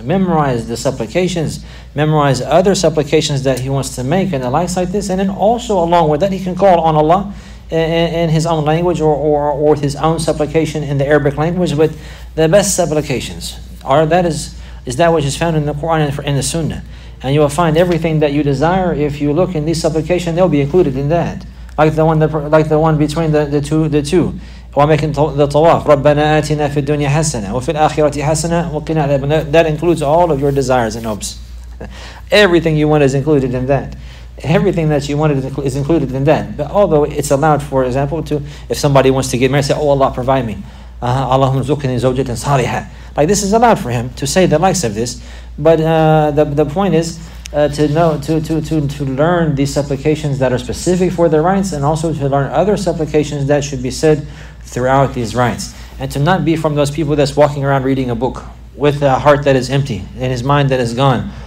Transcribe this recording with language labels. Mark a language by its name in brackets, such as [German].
[English] Memorize the supplications, memorize other supplications that he wants to make and the likes like this, and then also along with that he can call on Allah in his own language or with his own supplication in the Arabic language. But the best supplications are that is that which is found in the Quran and in the Sunnah. And you will find everything that you desire. If you look in this supplication, they'll be included in that. Like the one between the two. While making the tawaf, [Arabic] رَبَّنَا آتِنَا فِي الدُّنْيَا حَسَنَةً وَفِي الْآخِرَةِ حَسَنَةً وَقِنَا عَذَابَ النَّارِ. [English] That includes all of your desires and hopes. Everything you want is included in that. Everything that you wanted is included in that. But although it's allowed, for example, to, if somebody wants to get married, say, oh Allah, provide me. [Arabic] اللهم ارزقني زوجة صالحة. [English] Like this is allowed for him to say the likes of this. But the point is to learn these supplications that are specific for the rites, and also to learn other supplications that should be said throughout these rites. And to not be from those people that's walking around reading a book with a heart that is empty and his mind that is gone.